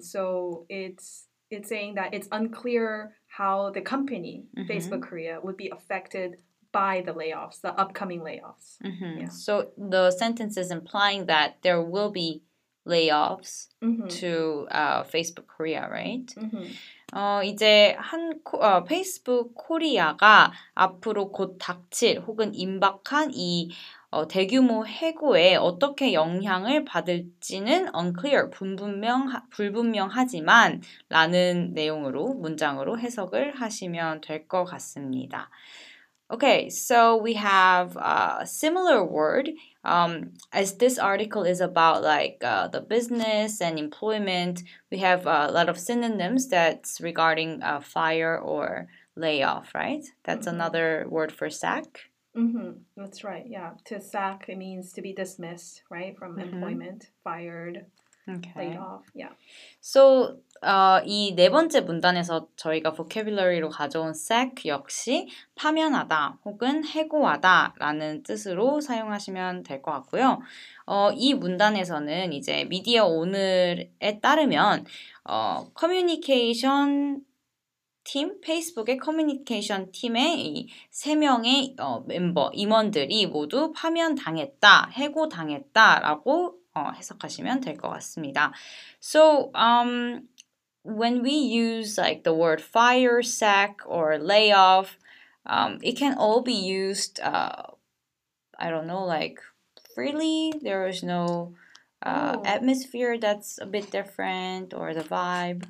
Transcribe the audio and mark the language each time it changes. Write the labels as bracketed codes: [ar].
[en] So it's saying that it's unclear how the company, mm-hmm. Facebook Korea, would be affected by the layoffs, the upcoming layoffs. Mm-hmm. Yeah. So the sentence is implying that there will be layoffs mm-hmm. to Facebook Korea, right? Mm-hmm. [ko] 이제 페이스북 코리아가 앞으로 곧 닥칠 혹은 임박한 이 대규모 해고에 어떻게 영향을 받을지는 unclear, 불분명하지만 라는 내용으로 문장으로 해석을 하시면 될 것 같습니다. [en] Okay, so we have a similar word. As this article is about like the business and employment, we have a lot of synonyms that's regarding fire or layoff, right? That's mm-hmm. another word for sack. Mm-hmm. That's right, yeah. To sack, it means to be dismissed, right? From mm-hmm. employment, fired, okay. laid off, yeah. [ko] So, 이 네 번째 문단에서 저희가 vocabulary로 가져온 sack 역시 파면하다 혹은 해고하다 라는 뜻으로 사용하시면 될 것 같고요. 이 문단에서는 이제 미디어 오늘에 따르면 커뮤니케이션 팀, 페이스북의 커뮤니케이션 팀의 이 세 명의 멤버, 임원들이 모두 파면당했다, 해고당했다라고 해석하시면 될 것 같습니다. [en] So, when we use like the word fire, sack, or layoff, it can all be used, I don't know, like freely. There is no atmosphere that's a bit different or the vibe.